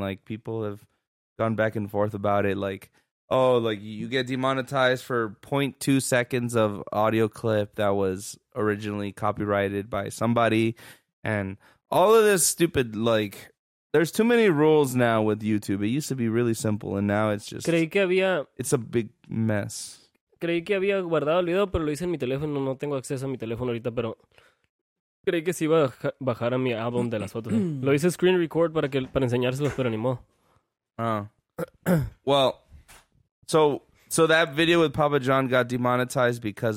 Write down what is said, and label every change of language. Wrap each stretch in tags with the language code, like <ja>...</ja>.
<en>Like, people have gone back and forth about it. Like, oh, like, you get demonetized for 0.2 seconds of audio clip that was originally copyrighted by somebody. And all of this stupid, like, there's too many rules now with YouTube. It used to be really simple, and now it's just...</en> <es>Creí que había...</es> <en>It's a big mess.</en> <es>Creí que había guardado el video, pero lo hice en mi teléfono. No tengo acceso a mi teléfono ahorita, pero creí que sí iba a bajar a mi álbum de las fotos. Lo hice screen record para enseñárselos, pero ni modo.</es> <en>Well, so that video with Papa John got demonetized because</en>